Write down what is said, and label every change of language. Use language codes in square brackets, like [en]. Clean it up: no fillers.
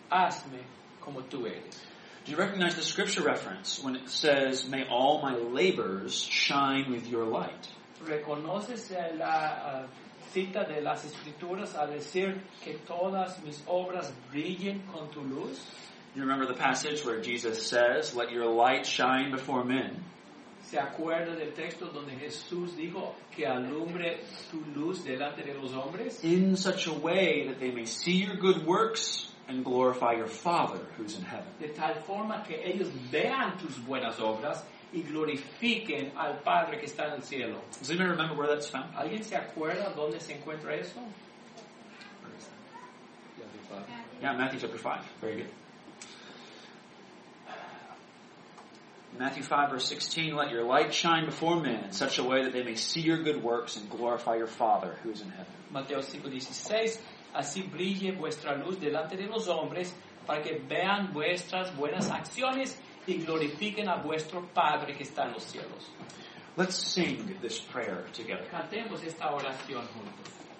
[es] Hazme como tú eres. [en] Do you recognize the scripture reference when it says, may all my labors shine with your light? [es] ¿Reconoces la cita de las escrituras al decir que todas mis obras brillen con tu luz? [en] You remember the passage where Jesus says, let your light shine before men? [es] ¿Se acuerda del texto donde Jesús dijo que alumbre tu luz delante de los hombres? [en] In such a way that they may see your good works and glorify your Father who's in heaven. [es] De tal forma que ellos vean tus buenas obras y glorifiquen al Padre que está en el cielo. [en] Does anybody remember where that's found? [es] ¿Alguien se acuerda dónde se encuentra eso? [en] Matthew 5. Yeah, Matthew chapter 5. Very good. Matthew 5 verse 16, let your light shine before men in such a way that they may see your good works and glorify your Father who's in heaven. [es] Mateo 5:16. Así brille vuestra luz delante de los hombres para que vean vuestras buenas acciones y glorifiquen a vuestro Padre que está en los cielos. [en] Let's sing this prayer together. [es] Cantemos esta oración juntos.